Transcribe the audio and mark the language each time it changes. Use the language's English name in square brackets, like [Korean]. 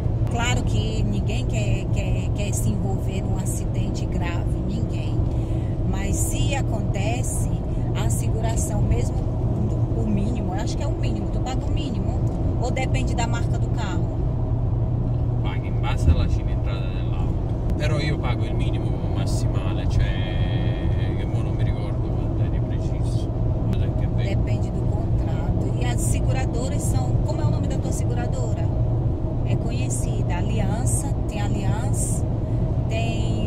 [Portuguese] claro que ninguém quer se envolver num acidente grave, ninguém. Mas se acontece, a seguração, mesmo o mínimo, eu acho que é o mínimo, tu paga o mínimo, ou depende da marca do carro? Paga em base [Italian] alla cilindrada dell'auto. Però io pago il minimo massimale, cioè che mo non mi ricordo quanto è di preciso. [Portuguese] Depende do contrato. E as seguradoras são, como é o nome da tua seguradora? É conhecida, Aliança, tem Aliança, tem...